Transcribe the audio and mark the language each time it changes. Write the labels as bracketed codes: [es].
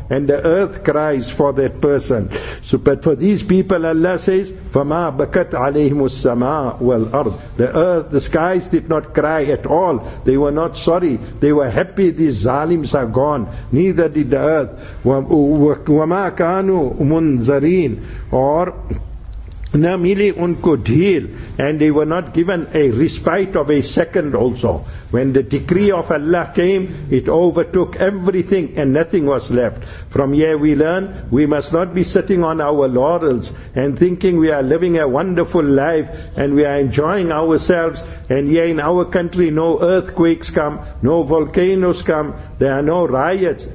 [en] And the earth cries for that person. So, but for these people, Allah says, [ar] فَمَا بَكَتْ عَلَيْهِمُ السَّمَاءُ وَالْأَرْضُ. [en] The earth, the skies did not cry at all. They were not sorry. They were happy these zalims are gone. Neither did the earth. [ar] وَمَا كَانُوا مُنْزَرِينَ. [en] Or [ur] نہ ملی ان کو ڈھیل. [en] And they were not given a respite of a second also. When the decree of Allah came, it overtook everything and nothing was left. From here we learn, we must not be sitting on our laurels and thinking we are living a wonderful life and we are enjoying ourselves, and yet in our country no earthquakes come, no volcanoes come, there are no riots.